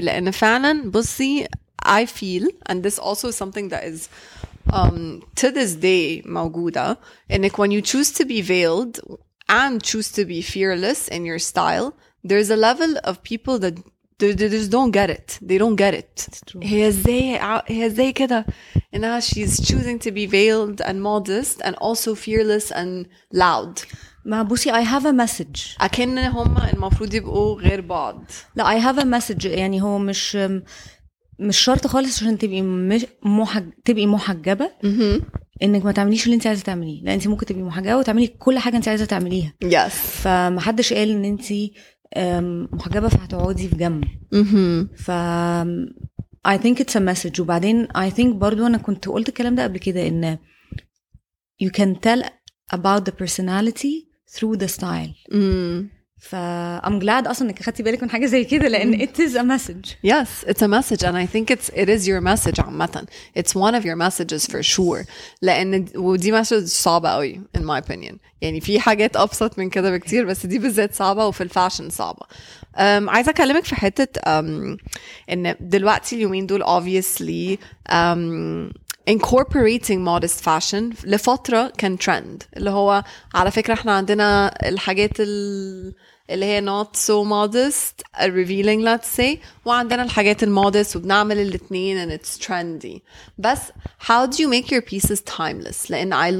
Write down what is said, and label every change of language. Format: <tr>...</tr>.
<ar>لأن فعلاً بصي</ar> <en>I feel, and this also is something that is to this day</en> <ar>موجودة, إنك</ar> <en>when you choose to be veiled and choose to be fearless in your style, there's a level of people that they just don't get it. They don't get it.</en> <ar>هي زي كده. إنها</ar> <en>she's choosing to be veiled and modest and also fearless and loud.</en> <ar>ما بوسي</ar> <en>I have a message.</en> <ar>أكن هما المفروض يبقوا غير بعض. لا I have a message. يعني هو مش شرط خالص عشان تبقي محجبة انك ما تعمليش اللي انت عايزة تعمليه. لا انت ممكن تبقي محجبة وتعملي كل حاجة انت عايزة تعمليها.</ar> <en>Yes.</en> <ar>فمحدش قال ان انت محجبة فهتقعدي في جنب.</ar> <en>ف I think it's a message.</en> <ar>وبعدين</ar> <en>I think</en> <ar>برضو أنا كنت قلت الكلام ده قبل كده, إن</ar> <en>you can tell about the personality through the style.</en> <ar>فأم</ar> <en>glad</en> <ar>أصلاً إنك خدتي بالك من حاجة زي كده لأن</ar> <en>it is a message. Yes, it's a message and I think it is your message</en> <ar>عمتاً.</ar> <en>It's one of your messages for sure.</en> <ar>لأن ودي message صعبة أوي</ar> <en>in my opinion.</en> <ar>يعني في حاجات أبسط من كده بكتير بس دي بالذات صعبة وفي الفاشن صعبة. عايزة أكلمك في حتة إن دلوقتي اليومين دول</ar> <en>obviously incorporating modest fashion</en> <ar>لفترة كان trend اللي هو على فكرة احنا عندنا الحاجات اللي هي</ar> <en>not so modest revealing let's say</en> <ar>وعندنا الحاجات المودست وبنعمل الاثنين</ar> <en>and it's trendy</en> <ar>بس</ar> <en>how do you make your pieces timeless</en> <ar>لان</ar>